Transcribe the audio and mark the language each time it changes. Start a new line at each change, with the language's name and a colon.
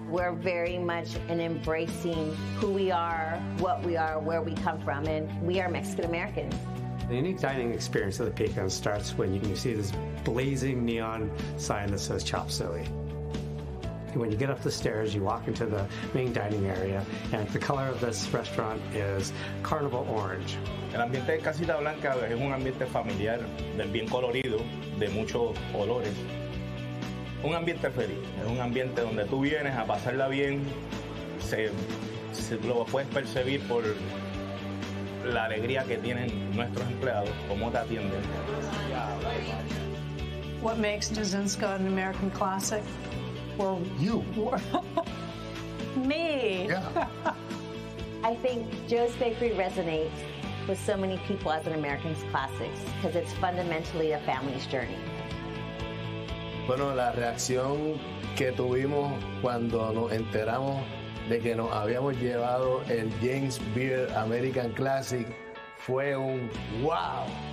English: We're very much in embracing who we are, what we are, where we come from, and we are Mexican-American. The unique dining experience of the Pecan starts when you can see this blazing neon sign that says Chop Suey. When you get up the stairs, you walk into the main dining area, and the color of this restaurant is carnival orange.
Spanish: El ambiente de Casita Blanca es un ambiente familiar, bien colorido, de muchos colores. Un ambiente feliz. Es un ambiente donde tú vienes a pasarla bien. Se lo puedes percibir por la alegría que tienen nuestros empleados, cómo te atienden.
English: What makes Dzinska an American classic? Well, you. Me. Yeah. I think Joe's Bakery resonates with so many people as an American classic because it's fundamentally a family's journey.
Spanish: Bueno, la reacción que tuvimos cuando nos enteramos de que nos habíamos llevado el James Beard American Classic fue un wow.